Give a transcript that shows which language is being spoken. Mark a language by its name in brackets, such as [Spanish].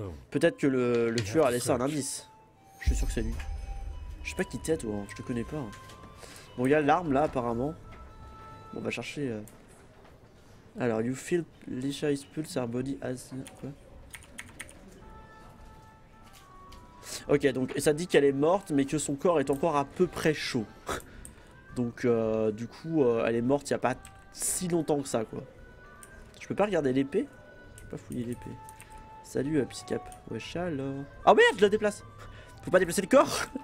[French] Peut-être que le tueur a laissé un indice. Je suis sûr que c'est lui. Je sais pas qui t'es, toi, hein. Je te connais pas. Bon, il y a l'arme, là, apparemment. Bon, on va chercher... [English] Alors, you feel Lisha's pulse, her body has... [French] Quoi? Ok, donc, ça dit qu'elle est morte, mais que son corps est encore à peu près chaud. Donc du coup elle est morte il n'y a pas si longtemps que ça quoi. Je peux pas regarder l'épée. Je peux pas fouiller l'épée. Salut Piscap. Wesh alors. Oh merde je la déplace. Faut pas déplacer le corps.